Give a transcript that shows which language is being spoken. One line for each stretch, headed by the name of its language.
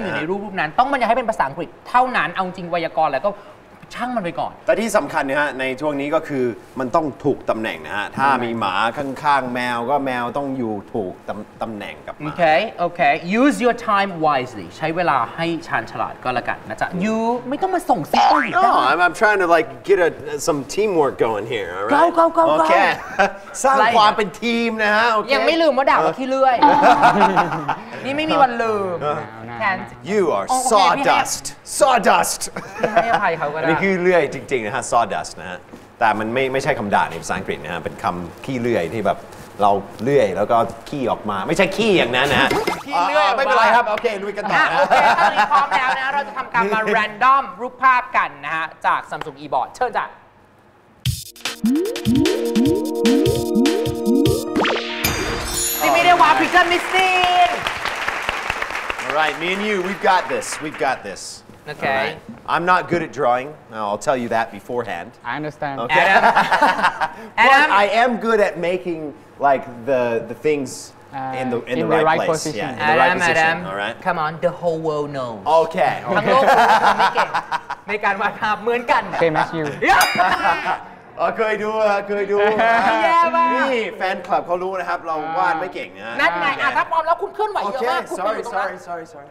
Thai: อยู่ในรูปนั้นต้องบรรยายให้เป็นภาษาอังกฤษเท่านั้นเอาจริงไวยากรณ์แล้วก็ช่างมันไปก่อน แต่ที่สำคัญนะฮะในช่วงนี้ก็คือมันต้องถูกตำแหน่งนะฮะถ้ามีหมาข้างๆแมวก็แมวต้องอยู่ถูกตำแหน่งกับหมา โอเคโอเค
English: use your time wisely
Thai: ใช้เวลาให้ชาญฉลาดก็แล้วกันนะจ๊ะ you ไม่ต้องมาส่งซิกได้
English: I'm trying to like get some teamwork going here alright go
Thai: okay สร้างความเป็นทีมนะฮะโอเค ยังไม่ลืมว่าด่าว่าขี้เลื่อยนี่ไม่มีวันลืม
English: you are sawdust sawdust
Thai: ให้อภัยเขาก็ได้ คือเลื่อยจริงๆนะฮะ sawdust นะฮะแต่มันไม่ใช่คำด่าในภาษาอังกฤษนะฮะเป็นคำขี้เลื่อยที่แบบเราเลื่อยแล้วก็ขี้ออกมาไม่ใช่ขี้อย่างนั้นนะ ขี้เลื่อย ไม่เป็นไรครับโอเคลุยกันต่อ โอเคตอนนี้พร้อมแล้วนะเราจะทำการมา random รูปภาพกันนะฮะจาก Samsung e-board เชิญจ้ะจิมมี่ได้วาร์ปพิกเกอร์มิสซิ่ง
English: alright me and you we've got this Okay. Right. I'm not good at drawing. I'll tell you that beforehand. I understand. Okay. But I am good at making like the things in the right place. Position. Yeah, in the right position. Adam. All right. Come on, the whole world knows. Okay.
Thai: ทั้งโลกรู้ว่าไม่เก่งในการวาดภาพเหมือนกัน
English: Okay, match you.
Thai: เคยดูเคยดูนี่แฟนคลับเขารู้นะครับเราวาดไม่เก่งนะ นั่นไงอ่ะถ้าพร้อมแล้วคุณเคลื่อนไหวเยอะมากคุณไปอยู่ตรงนั้น
English: Sorry.